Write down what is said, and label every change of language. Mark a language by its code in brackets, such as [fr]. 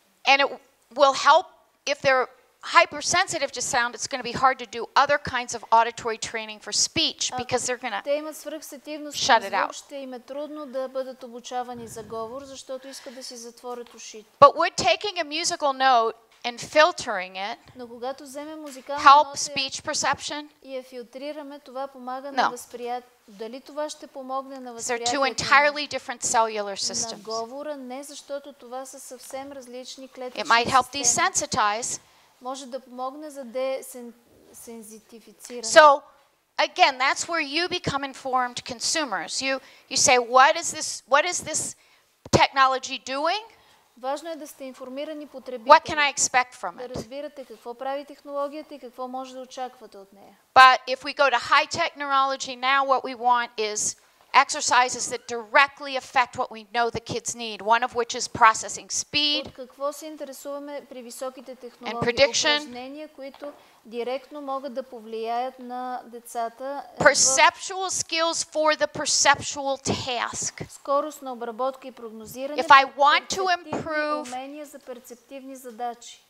[en] And it will help if they're hypersensitive to sound, it's going to be hard to do other kinds of auditory training for speech because they're going to shut it out. [bg] Ще им е трудно да бъдат обучавани за говор, защото искат да си затворят ушите. [en] But would taking a musical note and filtering it help speech perception? [bg] И филтрираме, това помага на възприятието. Дали това ще помогне на възприятието? [en] They're two entirely different cellular systems. [bg] На говора, не, защото това са съвсем различни клетки. [en] It might help desensitize. [bg] Може да помогне за десензитифициране. [en] So again, that's where you become informed consumers. You say, what is this technology doing? [bg] Важно е да сте информирани потребители. [en] What can I expect from it? [bg] Да разбирате какво прави технологията и какво може да очаквате от нея. [en] But if we go to high technology now, what we want is exercises that directly affect what we know the kids need, one of which is processing speed. [bg] От какво се интересуваме при високите технологии? [en] And prediction. [bg] Упражнения, които директно могат да повлияят на децата. [en] Perceptual skills for the perceptual task. [bg] Скорост на обработка и прогнозиране. [en] If I want to improve [bg] умения за перцептивни задачи.